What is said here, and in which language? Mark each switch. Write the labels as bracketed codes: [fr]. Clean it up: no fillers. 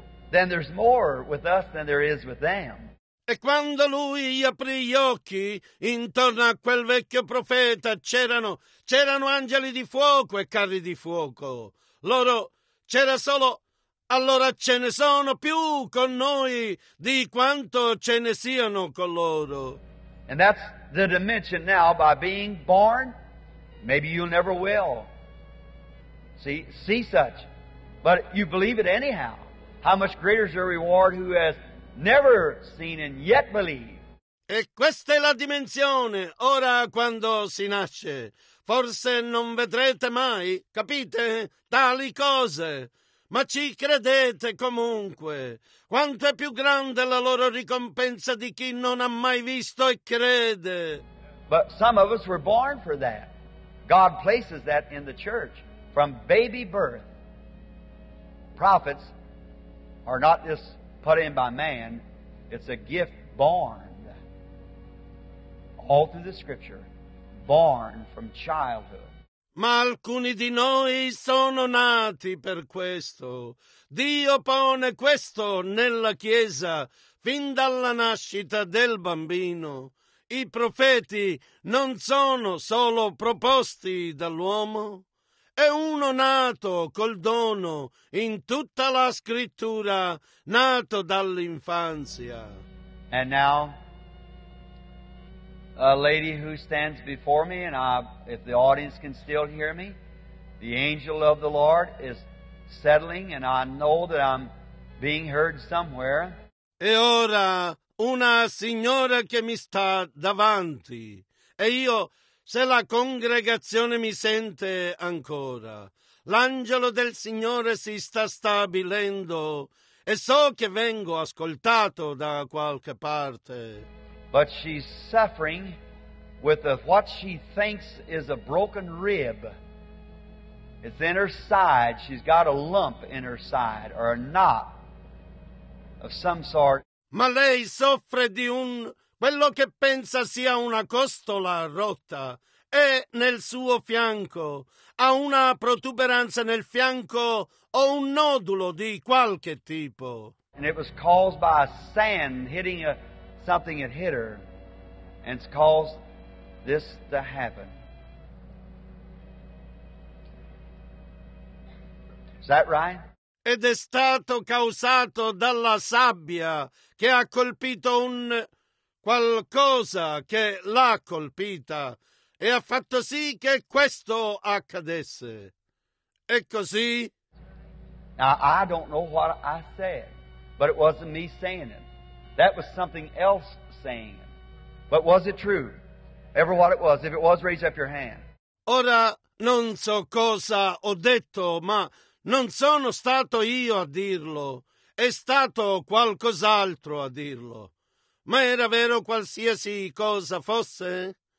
[en] Then there's more with us than there is with them. [it] E quando lui aprì gli occhi intorno a quel vecchio profeta, c'erano angeli di fuoco e carri di fuoco. Loro c'era solo. Allora ce ne sono più con noi di quanto ce ne siano con loro. [en] And that's the dimension now by being born. Maybe you never will see such, but you believe it anyhow. How much greater is your reward who has never seen and yet believe? [it] E questa è la dimensione ora quando si nasce. Forse non vedrete mai, capite, tali cose. Ma ci credete comunque. Quanto è più grande la loro ricompensa di chi non ha mai visto e crede. [en] But some of us were born for that. God places that in the church. From baby birth, prophets are not just put in by man. It's a gift born all through the scripture, born from childhood. [it] Ma alcuni di noi sono nati per questo. Dio pone questo nella Chiesa fin dalla nascita del bambino. I profeti non sono solo proposti dall'uomo. È uno nato col dono in tutta la scrittura, nato dall'infanzia. [en] And now, a lady who stands before me, and I, if the audience can still hear me, the angel of the Lord is settling, and I know that I'm being heard somewhere. [it] E ora una signora che mi sta davanti, e io, se la congregazione mi sente ancora, l'angelo del Signore si sta stabilendo e so che vengo ascoltato da qualche parte. [en] But she's suffering with what she thinks is a broken rib. It's in her side. She's got a lump in her side or a knot of some sort. [it] Ma lei soffre di quello che pensa sia una costola rotta, è nel suo fianco, ha una protuberanza nel fianco o un nodulo di qualche tipo. [en] And it was caused by sand hitting something that hit her, and it's caused this to happen. Is that right? [it] Ed è stato causato dalla sabbia che ha colpito un qualcosa che l'ha colpita e ha fatto sì che questo accadesse. E così? [en] Now, I don't know what I said, but it wasn't me saying it. That was something else saying it. But was it true? Ever what it was, if it was, raise up your hand. [it] Ora non so cosa ho detto, ma non sono stato io a dirlo. È stato qualcos'altro a dirlo. Ma era vero qualsiasi cosa fosse?